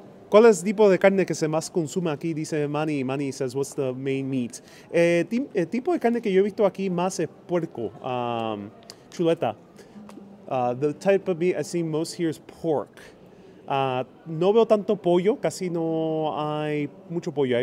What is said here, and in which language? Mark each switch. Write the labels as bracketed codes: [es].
[es] ¿Cuál es el tipo de carne que se más consume aquí? Dice Manny. [en] Manny says, what's the main meat? [es] El tipo de carne que yo he visto aquí más es puerco, chuleta. [en] The type of meat I see most here is pork. [es] No veo tanto pollo, casi no hay mucho pollo.